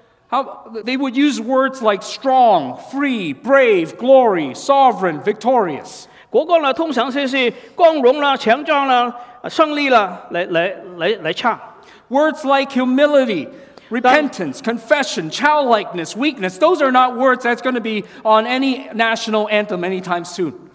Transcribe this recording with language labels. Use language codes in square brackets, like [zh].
[en] How they would use words like strong, free, brave, glory, sovereign, victorious. [zh] 国歌呢通常是光荣啦、强壮啦、胜利啦来唱。 [en] Words like humility, repentance, confession, childlikeness, weakness, those are not words that's going to be on any national anthem anytime soon.